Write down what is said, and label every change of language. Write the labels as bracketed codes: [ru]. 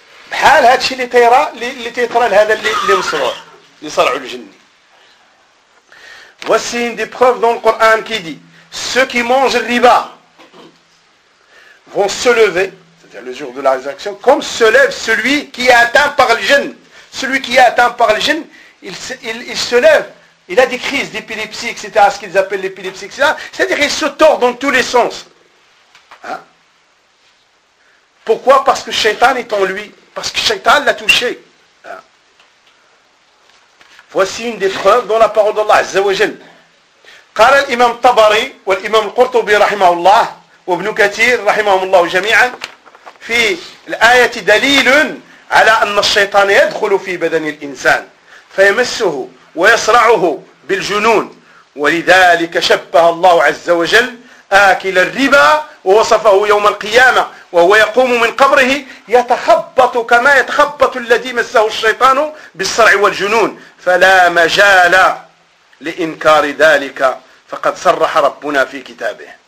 [ar] بحال هاد الشيء اللي تيرى اللي تيطرى لهذا اللي مصروع اللي صرعوا الجني [fr] Voici une des preuves dans le Coran qui dit ceux qui mangent le riba vont se lever c'est-à-dire le jour de la résurrection comme se lève celui qui est atteint par le jinn celui qui est atteint par le jinn il se lève Il a des crises d'épilepsie, etc. Ce qu'ils appellent l'épilepsie, etc. C'est-à-dire qu'il se tord dans tous les sens. Hein? Pourquoi? Parce que Shaitan est en lui. Parce que Shaitan l'a touché. Hein? Voici une des preuves dans la parole d'Allah, Azza wa Jal. [ar] قال الإمام الطبري والإمام القرطبي رحمه الله وابن كثير رحمه الله جميعا في الآية دليل على أن الشيطان يدخل في بدن الإنسان فيمسه ويصرعه بالجنون ولذلك شبه الله عز وجل آكل الربا ووصفه يوم القيامة وهو يقوم من قبره يتخبط كما يتخبط الذي مسه الشيطان بالصرع والجنون فلا مجال لإنكار ذلك فقد صرح ربنا في كتابه